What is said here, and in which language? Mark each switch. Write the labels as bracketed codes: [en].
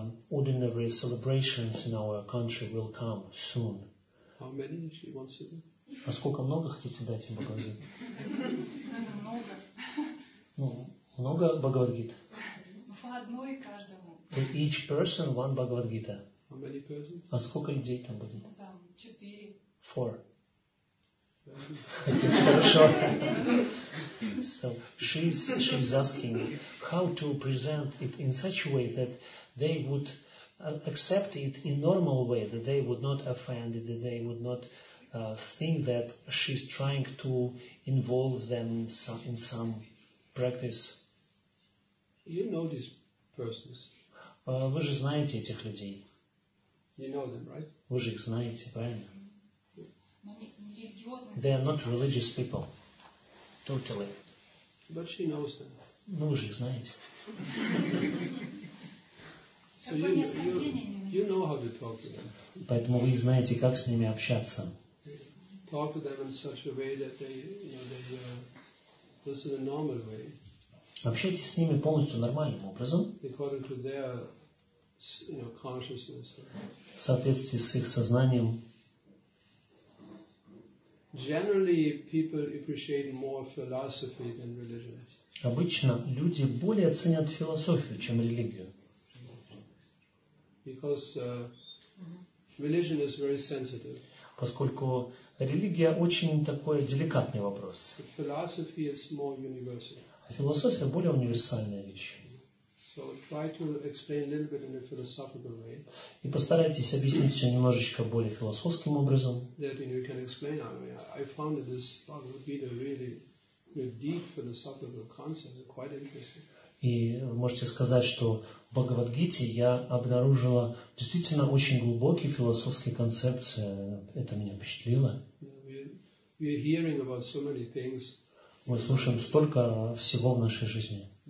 [en] ordinary celebrations in our country will come soon. How many she wants to do? [ru] А сколько много хотите дать им Бхагавад-гит? Много. Ну, много Бхагавад-гит? Ну, по одной каждому. [en] To each person one Бхагавад-гита. How many persons? [ru] А сколько людей там будет? Там четыре. [en] Four. [ru] Хорошо. [en] So she's asking how to present it in such a way that they would accept it in normal way, that they would not offend it, that they would not think that she's trying to involve them in some practice. You know these persons. [ru] Вы же знаете этих людей. [en] You know them, right? [ru] Вы же их знаете, правильно? Mm-hmm. [en] They are not religious people. Totally. But she knows them. [ru] Ну, вы же их знаете. [en] So you know how to talk to them. [ru] Поэтому вы знаете, как с ними общаться. [en] Talk to them in such a way that they, you know, they listen in a normal way. [ru] Общайтесь с ними полностью нормальным образом. [en] According to their, you know, consciousness. [ru] В соответствии с их сознанием. [en] Generally, people appreciate more philosophy than religion. [ru] Обычно люди более ценят философию, чем религию. [en] Because religion is very sensitive. [ru] Поскольку религия очень такой деликатный вопрос. [en] Philosophy is more universal. [ru] А философия более универсальная вещь. [en] So try to explain a little bit in a philosophical way. [ru] И постарайтесь объяснить все немножечко более философским образом. [en] That you can explain. I mean, I found that this Bhagavad Gita really a deep philosophical concept, quite interesting. [ru] И вы можете сказать, что в Бхагавад-гите я обнаружила действительно очень глубокие философские концепции. Это меня впечатлило. Мы слушаем столько всего в нашей жизни.